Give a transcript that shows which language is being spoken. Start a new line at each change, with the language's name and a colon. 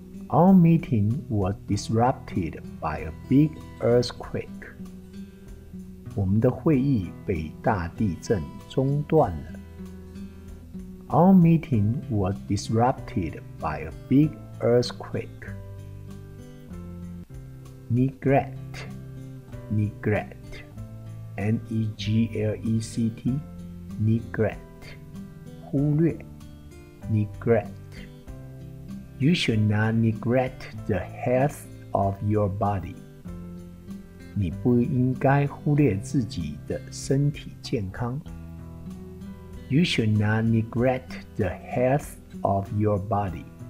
English: Our meeting was disrupted by a big earthquake.
Chinese: 我们的会议被大地震中断了。
English: Our meeting was disrupted by a big earthquake. Neglect, neglect. N-E-G-L-E-C-T, neglect, 忽略 neglect. You should not neglect the health of your body.
Chinese: 你不应该忽略自己的身体健康。
English: You should not neglect the health of your body.